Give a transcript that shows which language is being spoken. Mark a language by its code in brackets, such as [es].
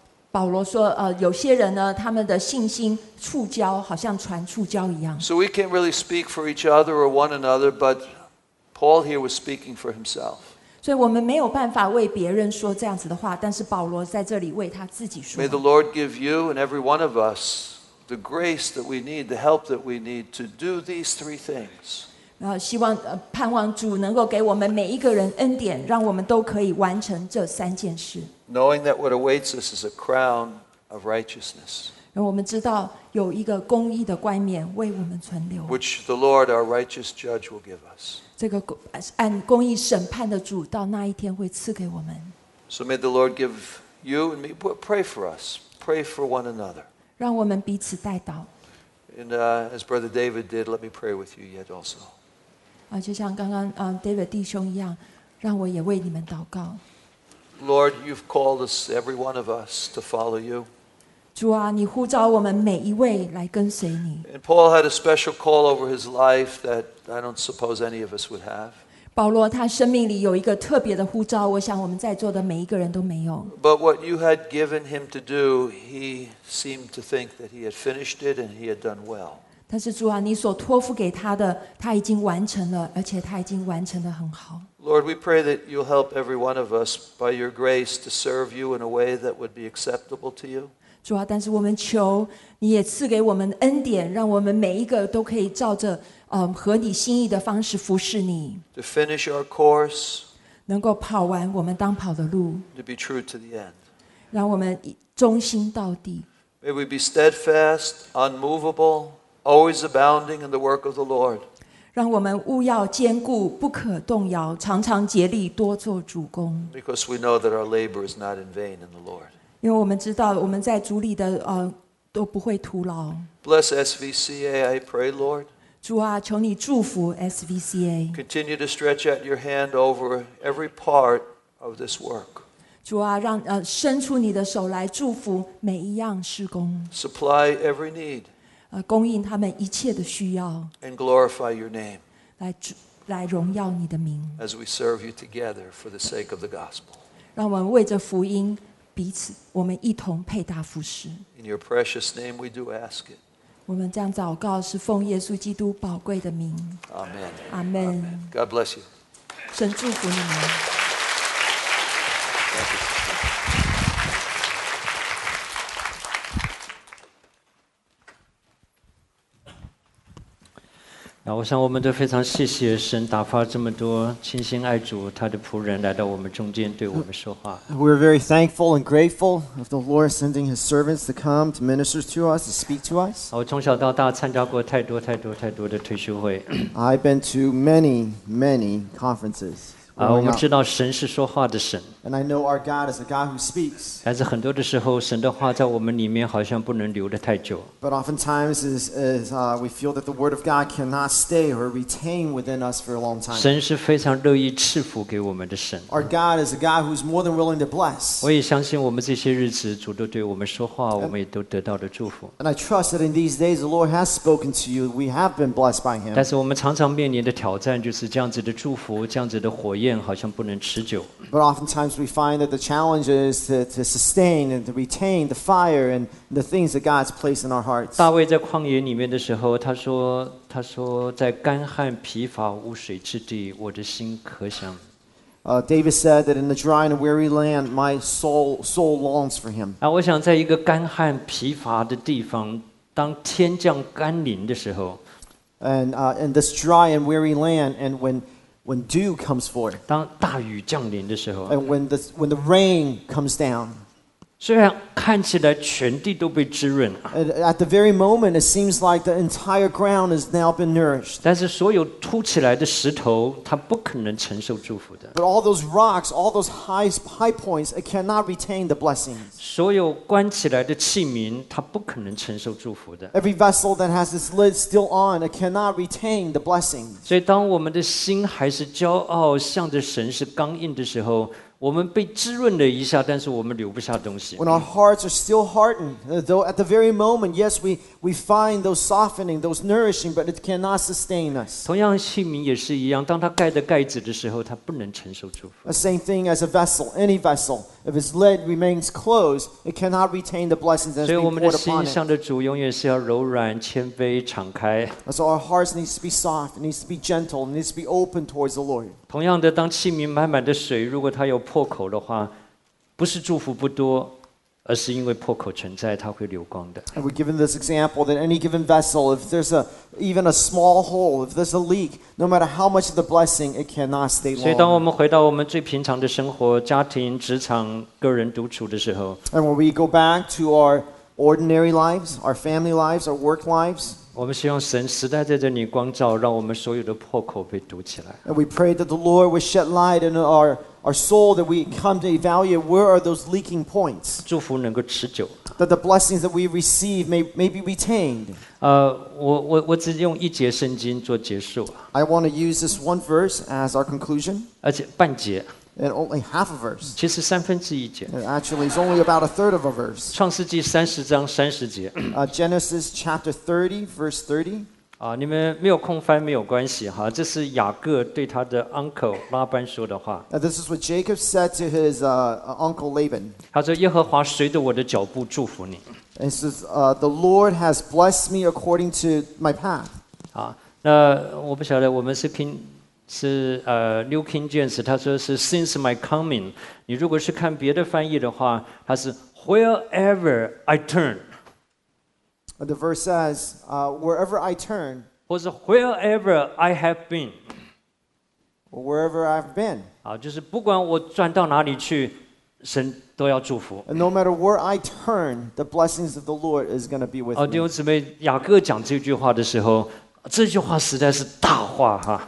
[zh] 保罗说、有些人呢，他们的信心触礁，好像船触礁一样。 [en] So we can't really speak for each other or one another, but Paul here was speaking for himself. [zh] 所以我们没有办法为别人说这样子的话，但是保罗在这里为他自己说。 [en] May the Lord give you and every one of us the grace that we need, the help that we need to do these three things. [zh] 希望盼望主能够给我们每一个人恩典，让我们都可以完成这三件事。 [en] Knowing that what awaits us is a crown of righteousness. [zh] 我们知道有一个公义的冠冕为我们存留。 [en] Which the Lord, our righteous judge, will give us. [zh] 这个按公义审判的主到那一天会赐给我们。 [en] So may the Lord give you and me, pray for us, pray for one another. [zh] 让我们彼此代祷。 [en] And as Brother David did, let me pray with you yet also. [zh] 就像刚刚、David 弟兄一样，让我也为你们祷告。 [en] Lord, you've called us, every one of us, to follow you. [zh] 主啊，你呼召我们每一位来跟随你。 [en] And Paul had a special call over his life that I don't suppose any of us would have. [zh] 保罗他生命里有一个特别的呼召，我想我们在座的每一个人都没有。 [en] But what you had given him to do, he seemed to think that he had finished it and he had done well. [zh] 但是主啊，你所托付给他的，他已经完成了，而且他已经完成得很好。 [en] Lord, we pray that you'll help every one of us by your grace to serve you in a way that would be acceptable to you. [zh] 主啊，但是我们求你也赐给我们恩典，让我们每一个都可以照着、合你心意的方式服侍你。 [en] To finish our course, [zh] 能够跑完我们当跑的路。 [en] To be true to the end, [zh] 让我们忠心到底。 [en] May we be steadfast, unmovable, always abounding in the work of the Lord. [zh] 让我们务要坚固，不可动摇，常常竭力多做主工。 [en] Because we know that our labor is not in vain in the Lord. [zh] 因为我们知道我们在主里的都不会徒劳。 [en] Bless SVCA, I pray, Lord. [zh] 主啊，求你祝福 SVCA. [en] Continue to stretch out your hand over every part of this work. [zh] 主啊，让伸出你的手来祝福每一样事工。 [en] Supply every need. [zh] 供应他们一切的需要。 [en] And glorify your name. [zh] 来荣耀你的名。 [en] As we serve you together for the sake of the gospel. [zh] 让我们为着福音。彼此我们一同配搭服侍。 [en] In your precious name we do ask it. [zh] 我们这样祷告是奉耶稣基督宝贵的名。 [en] Amen. Amen. God bless you. [zh] 神祝福你们。那我想我们都非常谢谢神打发这么多亲心爱主他的仆人来到我们中间对我们说话。 [en] We are very thankful and grateful of the Lord sending his servants to come to minister to us, to speak to us. [zh] 我从小到大参加过太多太多太多的退休会。 [en] I've been to many, many conferences. [zh] 我们知道神是说话的神。 [en] And I know our God is a God who speaks. [zh] 但是很多的时候神的话在我们里面好像不能留得太久。 [en] But oftentimes we feel that the word of God cannot stay or retain within us for a long time. [zh] 神是非常乐意赐福给我们的神。 [en] Our God is a God who is more than willing to bless. [zh] 我也相信我们这些日子主都对我们说话我们也都得到了祝福。 [en] And I trust that in these days the Lord has spoken to you. We have been blessed by him. [zh] 但是我们常常面临的挑战就是这样子的祝福这样子的火焰好像不能持久。 [en] But oftentimes we find that the challenge is to sustain and to retain the fire and the things that God's placed in our hearts. [zh] 大卫在旷野里面的时候，他说在干旱疲乏无水之地，我的心可想。 [en] David said that in the dry and weary land, my soul longs for him. [zh] 我想在一个干旱疲乏的地方，当天降甘霖的时候 [en] ，and in this dry and weary land, and when dew comes forth, [zh] 当大雨降临的时候 [en] and when the rain comes down, [zh] 虽然看起来全地都被滋润 [en] at the very moment, it seems like the entire ground has now been nourished. [zh] 但是所有凸起来的石头，它不可能承受祝福的 [en] But all those rocks, all those high points, it cannot retain the blessings. [zh] 所有关起来的器皿，它不可能承受祝福的 [en] Every vessel that has its lid still on, it cannot retain the blessings. [zh] 所以当我们的心还是骄傲，向着神是刚硬的时候我们被滋润了一下，但是我们留不下东西。 [en] When our hearts are still hardened, though at the very moment, yes, we find those softening, those nourishing, but it cannot sustain us. [zh] 同样，器皿也是一样，当它盖着盖子的时候，它不能承受祝福。 [en] The same thing as a vessel, any vessel, if its lid remains closed, it cannot retain the blessings that's been poured upon it. [zh] 所以我们的心向着主永远是要柔软、谦卑、敞开。 [en] So our hearts need to be soft, needs to be gentle, needs to be open towards the Lord. [zh] 同样的，当器皿满满的水，如果它有破口的话，不是祝福不多，而是因为破口存在，它会流光的。 [en] And we're given this example that any given vessel, if there's even a small hole, if there's a leak, no matter how much of the blessing, it cannot stay long. [zh] 所以，当我们回到我们最平常的生活、家庭、职场、个人独处的时候 [en] ，And when we go back to our ordinary lives, our family lives, our work lives. [zh] 我们希望神时代在这里光照，让我们所有的破口被堵起来。 [en] And we pray that the Lord will shed light in our soul, that we come to evaluate where are those leaking points. [zh] 祝福能够持久。 [en] That the blessings that we receive may be retained. [zh] 我只用一节圣经做结束。 [en] I want to use this one verse as our conclusion. [zh] 而且半节。 [en] And only half a verse. [zh] 其实三分之一节。 [en] Actually, it's only about a third of a verse. [zh] 创世纪三十章三十节。 [en] Genesis chapter 30, verse 30. [zh] 你们没有空翻没有关系哈，这是雅各对他的 uncle 拉班说的话。 [en] This is what Jacob said to his uncle Laban. [zh] 他说：“耶和华随着我的脚步祝福你。” [en] And he says, "The Lord has blessed me according to my path." [zh] 那我不晓得我们是拼。是New King James 他说是 [en] since my coming [zh] 你如果是看别的翻译的话他是 [en] wherever I turn the verse says wherever I turn [zh] 或是 [en] wherever I have been wherever I've been [zh] 就是不管我转到哪里去神都要祝福。 [en] No matter where I turn, the blessings of the Lord is going to be with me. [zh] 弟兄姊妹，雅各讲这句话的时候，这句话实在是大话哈。